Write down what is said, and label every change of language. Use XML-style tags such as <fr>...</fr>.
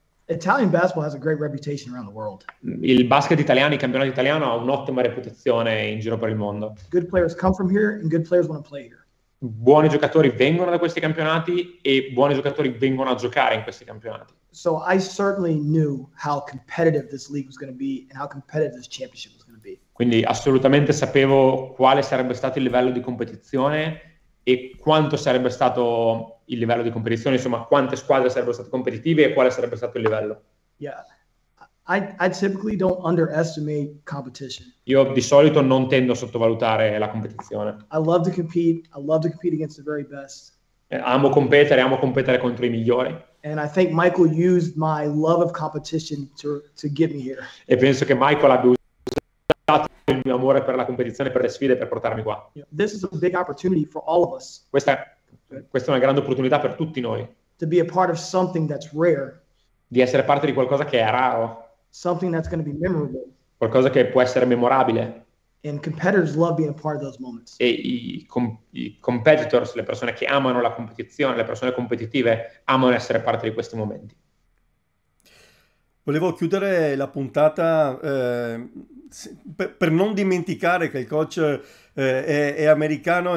<en>Italian basketball has a great reputation around the world.</en> <it>Il basket italiano, il campionato italiano ha un'ottima reputazione in giro per il mondo.</it> <en>Good players come from here and good players want to play here.</en> <it>Buoni giocatori vengono da questi campionati e buoni giocatori vengono a giocare in questi campionati.</it> <en>So I certainly knew how competitive this league was going to be and how competitive this championship was going to be.</en> <it>Quindi assolutamente sapevo quale sarebbe stato il livello di competizione e quanto sarebbe stato il livello di competizione, insomma, quante squadre sarebbero state competitive e quale sarebbe stato il livello.</it> <en>Yeah. I typically don't underestimate competition.</en> <it>Io di solito non tendo a sottovalutare la competizione.</it> <en>I love to compete. I love to compete against the very best.</en> <it>Amo competere contro i migliori.</it> <en>And I think Michael used my love of competition to get me here.</en> <it>E penso che Michael abbia usato il mio amore per la competizione, per le sfide, per portarmi qua.</it> <en>You know, this is a big opportunity for all of us.</en> <it>Questa è una grande opportunità per tutti noi.</it> <en>To be a part of something that's rare.</en> <it>Di essere parte di qualcosa che è raro.</it> <en>Something that's going to be memorable.</en> <it>Qualcosa che può essere memorabile.</it> <en>And competitors love being a part of those moments.</en> <it>E i competitors, le persone che amano la competizione, le persone competitive, amano essere parte di questi momenti. Volevo chiudere la puntata per non dimenticare che il coach è americano.</it>